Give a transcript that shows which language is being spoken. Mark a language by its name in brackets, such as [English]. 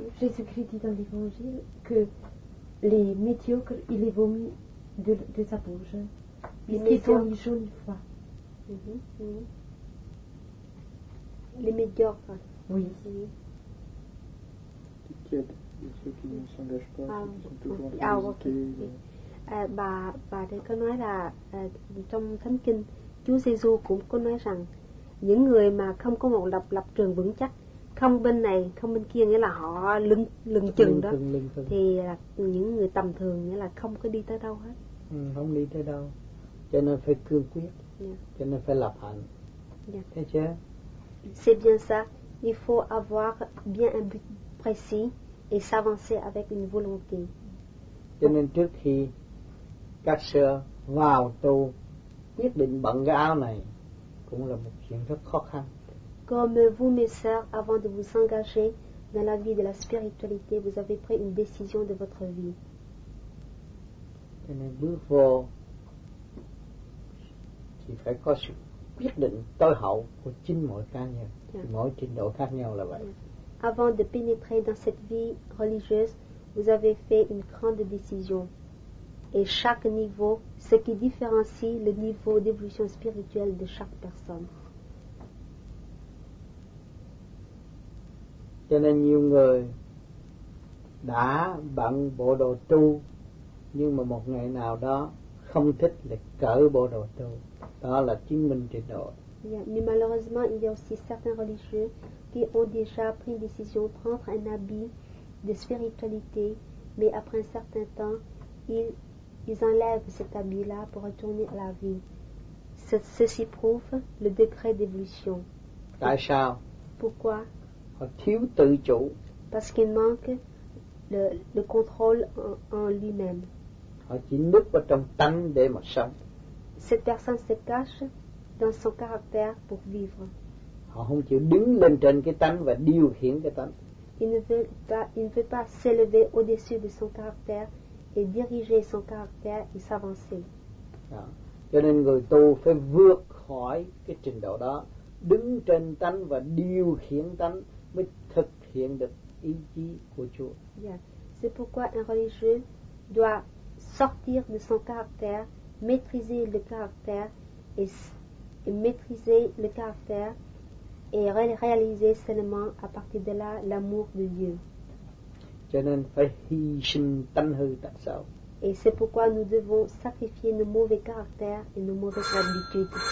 [French] Oui, Jésus-Christ dit dans l'Évangile que les médiocres, il les vomit de sa bouche. Puisqu'ils ont une jolie foi. Les médiocres. Oui. Ceux qui ne s'engagent pas, qui sont toujours en train de se [Vietnamese] Bà đây có nói là trong Thánh Kinh, Chúa Giê-xu cũng có nói rằng những người mà không có một lập trường vững chắc, không bên này, không bên kia, nghĩa là họ lưng chừng đó. Lưng. Thì là những người tầm thường, nghĩa là không có đi tới đâu hết. Không đi tới đâu. Cho nên phải cương quyết. Yeah. Cho nên phải lập hạnh. Yeah. Thế chứ? [French] C'est bien ça. Il faut avoir bien un but précis et s'avancer avec une volonté. [Vietnamese] Cho nên trước khi các sư vào tu, quyết định bận cái áo này, cũng là một chuyện rất khó khăn. [French] Comme vous, mes sœurs, avant de vous engager dans la vie de la spiritualité, vous avez pris une décision de votre vie. [Vietnamese] Cho nên bước vô thì phải có sự quyết định tối hậu của chính mỗi cá nhân. Yeah. Mỗi trình độ khác nhau là vậy. Yeah. [French] Avant de pénétrer dans cette vie religieuse, vous avez fait une grande décision. Et chaque niveau, ce qui différencie le niveau d'évolution spirituelle de chaque personne. [Vietnamese] Cho nên nhiều người đã bận bộ đồ tu, nhưng mà một ngày nào đó không thích là cởi bộ đồ tu, đó là chứng minh trình độ. [French] Yeah, mais malheureusement, il y a aussi certains religieux qui ont déjà pris une décision de prendre un habit de spiritualité, mais après un certain temps, ils enlèvent cet habit-là pour retourner à la vie. Ceci prouve le degré d'évolution. [Vietnamese] Tại sao? [French] Pourquoi? [Vietnamese] Họ thiếu tự chủ. [French] Parce qu'il manque le contrôle en lui-même. [Vietnamese] Họ chỉ núp vào trong tâm để mà sống. [French] Cette personne se cache dans son caractère pour vivre. [Vietnamese] Họ không chịu đứng lên trên cái tâm và điều khiển cái tâm. [French] Il ne veut pas s'élever au-dessus de son caractère et diriger son caractère et s'avancer. [Vietnamese] Đó. Cho nên người tu phải vượt khỏi cái trình độ đó, đứng trên tánh và điều khiển tánh mới thực hiện được ý chí của Chúa. Yeah. [French] C'est pourquoi un religieux doit sortir de son caractère, maîtriser le caractère et maîtriser le caractère et réaliser seulement à partir de là l'amour de Dieu. [Vietnamese] Cho nên phải hy sinh tánh hư tật xấu. [French] Et c'est pourquoi nous devons sacrifier nos mauvais caractères et nos mauvaises habitudes.